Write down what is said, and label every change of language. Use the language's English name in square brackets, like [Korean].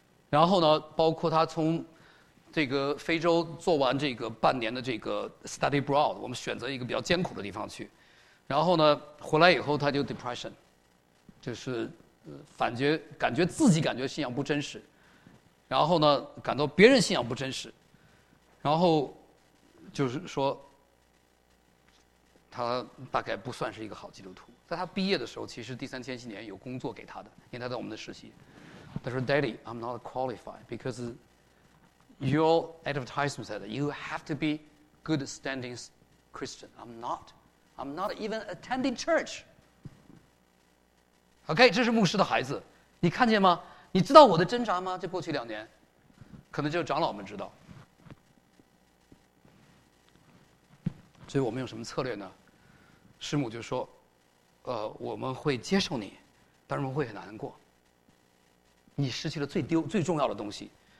[Chinese] 然后呢，包括他从这个非洲做完这个半年的这个 study abroad， 我们选择一个比较艰苦的地方去，然后呢回来以后他就 depression， 就是反觉，感觉自己感觉信仰不真实，然后呢感到别人信仰不真实，然后就是说他大概不算是一个好基督徒。在他毕业的时候，其实第三千禧年有工作给他的，因为他在我们的实习，他说 [English] Daddy I'm not qualified because your advertisement said you have to be good standing Christian. I'm not even attending church. [Chinese] OK， 这是牧师的孩子，你看见吗？你知道我的挣扎吗？这过去两年可能只有长老们知道。所以我们用什么策略呢？师母就说我们会接受你，但是我们会很难过，你失去了最重要的东西。